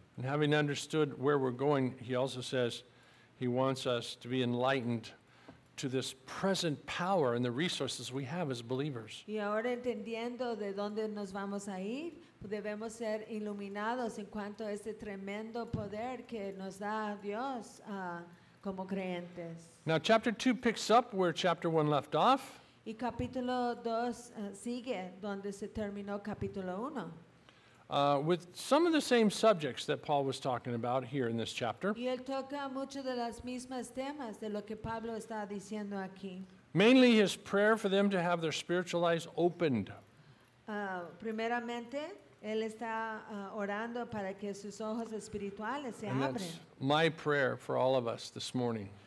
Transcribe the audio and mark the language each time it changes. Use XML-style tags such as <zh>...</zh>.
<en>And having understood where we're going, he also says he wants us to be enlightened to this present power and the resources we have as believers.</en> <es>Y ahora entendiendo de dónde nos vamos a ir, debemos ser iluminados en cuanto a este tremendo poder que nos da Dios como creyentes.</es> <en>Now chapter 2 picks up where chapter 1 left off.</en> <es>Y capítulo 2 sigue donde se terminó capítulo 1.</es> <en>With some of the same subjects that Paul was talking about here in this chapter.</en> <es>Y él toca mucho de las mismas temas de lo que Pablo está diciendo aquí.</es> <en>Mainly his prayer for them to have their spiritual eyes opened.</en> <es>Primeramente, él está orando para que sus ojos espirituales se abran.</es> <en>That's my prayer for all of us this morning.</en>